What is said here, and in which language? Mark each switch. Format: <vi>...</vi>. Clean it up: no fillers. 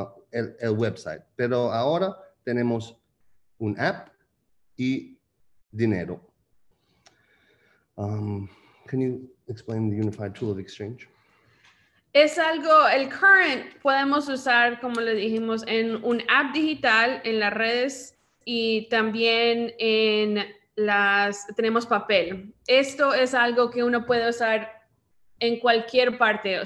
<es>El website, pero ahora tenemos un app y dinero.</es> <en>Can you explain the unified tool of exchange?</en> <es>Es algo, el current podemos usar, como le dijimos, en un app digital, en las redes y también en las, tenemos papel. Esto es algo que uno puede usar en cualquier parte.</es>